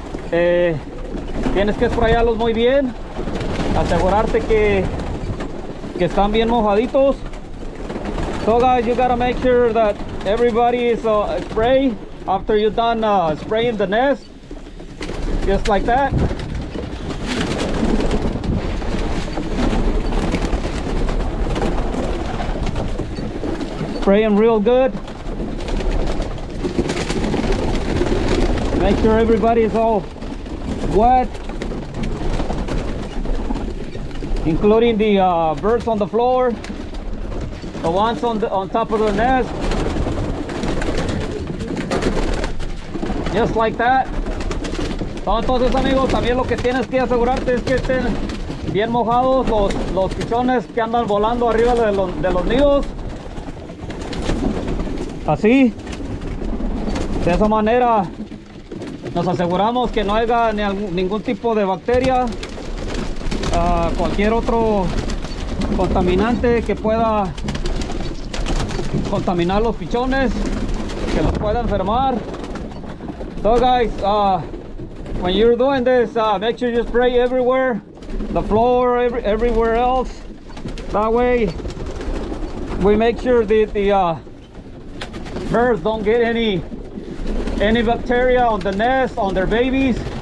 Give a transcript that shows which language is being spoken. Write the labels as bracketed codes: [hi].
[es] Tienes que sprayarlos muy bien, asegurarte que están bien mojaditos. [en] So guys, you gotta make sure that everybody is spray after you're done spraying the nest, just like that. Spray them real good. Make sure everybody is all wet, including the birds on the floor, the ones on top of the nest, just like that. [es] Entonces amigos, también lo que tienes que asegurarte es que estén bien mojados los pichones que andan volando arriba de los nidos. Así, de esa manera nos aseguramos que no haya ningún tipo de bacteria, cualquier otro contaminante que pueda contaminar los pichones, que los pueda enfermar. [en] So guys, when you're doing this, make sure you spray everywhere, the floor, everywhere else. That way we make sure the birds don't get any bacteria on the nest, on their babies.